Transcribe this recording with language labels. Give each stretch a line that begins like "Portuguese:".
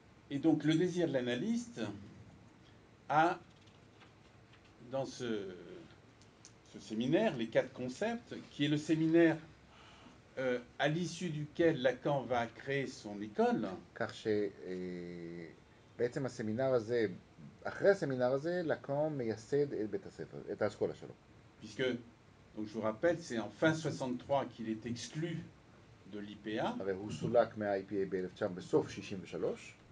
French: Et donc, le désir de l'analyste a, dans ce séminaire, les quatre concepts, qui est le séminaire à l'issue duquel Lacan va créer son école. Car chez,
Hebrew: בעצם הסמינר הזה, אחרי הסמינר הזה, Lacan מייסד את בית הספר, את האסכולה שלו.
French: Puisque, donc je vous rappelle, c'est en fin 63 qu'il est exclu de l'IPA.
Hebrew: הרי הוא סולק מה-IPA ב-1900 בסוף 63.